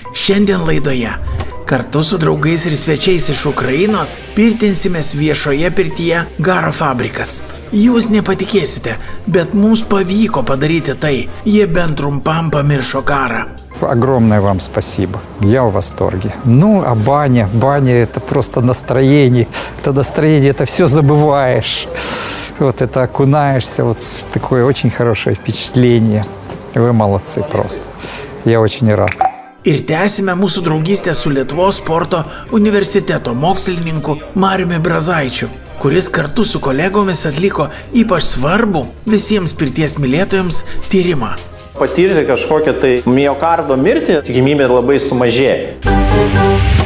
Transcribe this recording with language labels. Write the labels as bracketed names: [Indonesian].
[Lithuanian] Šiandien laidoje kartu su draugais ir svečiais iš Ukrainos pirtinsimės viešoje pirtyje Garo fabrikas. Jūs nepatikėsite, bet mums pavyko padaryti tai. Jie bent trumpam pamiršo karą. [Russian] Огромное вам спасибо. Я в восторге. Ну, а баня, баня – это просто настроение. Это настроение, это все забываешь. Вот это окунаешься вот в такое очень хорошее впечатление. Вы молодцы просто. Я очень рад. [Lithuanian] Ir tęsime mūsų draugystę su Lietuvos sporto universiteto mokslininku Mariumi Brazaičiu, kuris kartu su kolegomis atliko ypač svarbu visiems pirties mylėtojams tyrimą. Patirti kažkokią tai miokardo mirtį, tikimybė labai sumažėja.